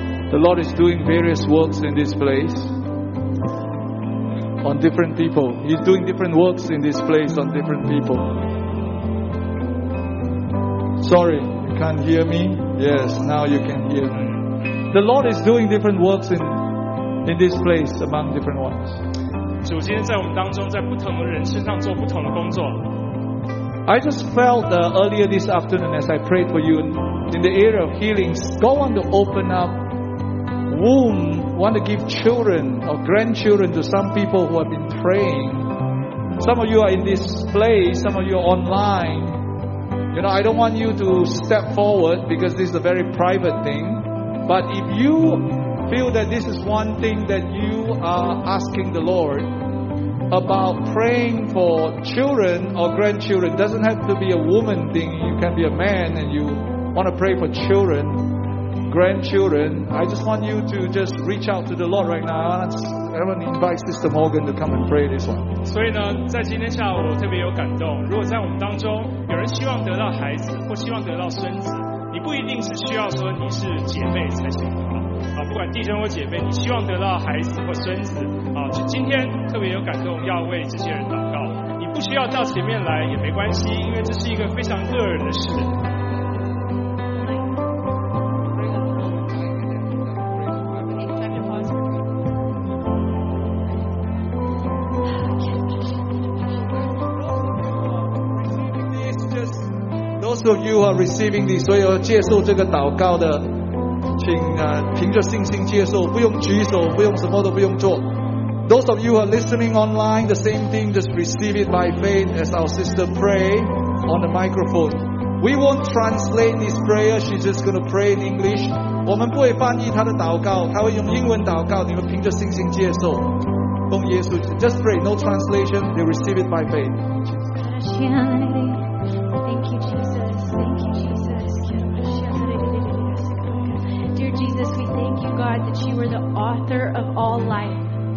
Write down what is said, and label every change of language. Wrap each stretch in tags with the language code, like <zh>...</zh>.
<en>The Lord is doing various works in this place on different people. He's doing different works in this place on different people. Sorry, you can't hear me? Yes, now you can hear me. The Lord is doing different works in this place among different ones.</en> <zh>主今天在我们当中，在不同的人身上做不同的工作。</zh> <en>I just felt earlier this afternoon as I prayed for you in the area of healings, God want to open up womb, want to give children or grandchildren to some people who have been praying. Some of you are in this place, some of you are online. You know, I don't want you to step forward because this is a very private thing. But if you feel that this is one thing that you are asking the Lord about, praying for children or grandchildren, doesn't have to be a woman thing, you can be a man and you want to pray for children, grandchildren, I just want you to just reach out to the Lord right now. I want to invite Sister Morgan to come and pray this one.</en> <zh>所以呢，在今天下午我特别有感动，如果在我们当中有人希望得到孩子或希望得到孙子，你不一定是需要说你是姐妹才行啊，不管弟兄或姐妹，你希望得到孩子或孙子啊，今天特别有感动，要为这些人祷告。你不需要到前面来也没关系，因为这是一个非常个人的事。</zh> <en>Those of you who are receiving this,</en> <zh>所有接受这个祷告的，请凭着信心接受，不用举手，不用什么都不用做。</zh> <en>Those of you who are listening online, the same thing, just receive it by faith as our sister pray on the microphone. We won't translate this prayer, she's just going to pray in English.</en> <zh>我们不会翻译她的祷告，她会用英文祷告，你们凭着信心接受。奉耶稣，</zh> <en>just pray, no translation, they receive it by faith. Thank you, Jesus. Thank you, Jesus. Dear Jesus, we thank you, God, that you are the author of all life.</en>